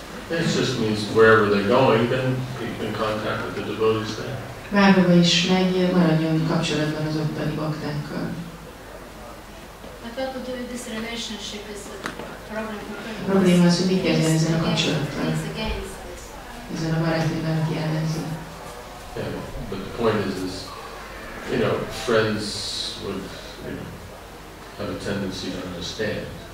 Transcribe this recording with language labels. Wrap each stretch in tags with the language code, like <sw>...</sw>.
<en>It just means wherever they're going, then keep in contact with the devotees there.</en> <hu>Bárhova is megy, maradjon kapcsolatban az ottani baktákkal. A probléma az, hogy mit kezdjen ezen a kapcsolattal. Ezen a barátnével kijelenti.</hu> <en>Yeah, but the point is, you know, friends would, you know, have a tendency to understand.</en>